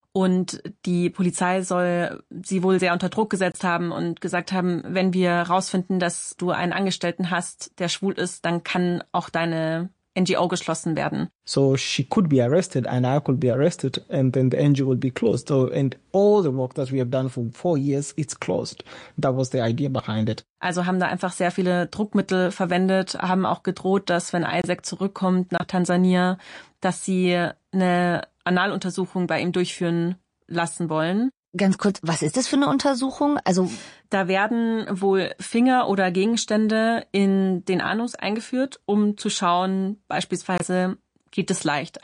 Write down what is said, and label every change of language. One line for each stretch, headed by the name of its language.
German: Und die Polizei soll sie wohl sehr unter Druck gesetzt haben und gesagt haben, wenn wir rausfinden, dass du einen Angestellten hast, der schwul ist, dann kann auch deine NGO geschlossen werden.
English: So she could be arrested and I could be arrested and then the NGO would be closed. So and all the work that we have done for 4 years, it's closed. That was the idea behind it.
German: Also haben da einfach sehr viele Druckmittel verwendet, haben auch gedroht, dass wenn Isaac zurückkommt nach Tansania, dass sie eine Analuntersuchung bei ihm durchführen lassen wollen. Ganz kurz, was ist das für eine Untersuchung? Also da werden wohl Finger oder Gegenstände in den Anus eingeführt, um zu schauen, beispielsweise, geht es leicht?